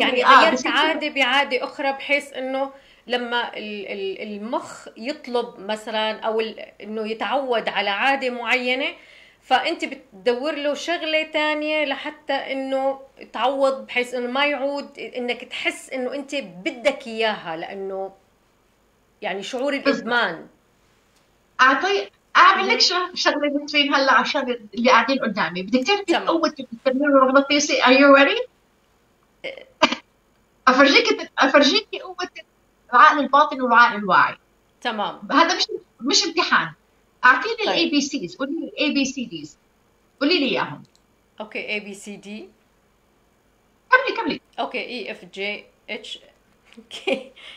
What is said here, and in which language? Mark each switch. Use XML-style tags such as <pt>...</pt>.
<ar>يعني غيرت عاده بعاده اخرى، بحيث انه لما المخ يطلب مثلا او انه يتعود على عاده معينه، فانت بتدور له شغله ثانيه لحتى انه تعوض، بحيث انه ما يعود انك تحس انه انت بدك اياها، لانه يعني شعور الادمان. اعمل لك شغله بتفين هلا عشان اللي قاعدين قدامي، بدك تعرفي قوه التنويم المغناطيسي.</ar> <en>Are you ready؟</en> <ar>افرجيك قوه العقل الباطن والعقل الواعي. تمام، هذا مش امتحان. اعطيني الاي بي سيز، قولي الاي بي سي ديز، قولي لي اياهم.</ar> <en>Okay, A B C D.</en> <ar>كملي كملي.</ar> <en>Okay, E F G H K.</en>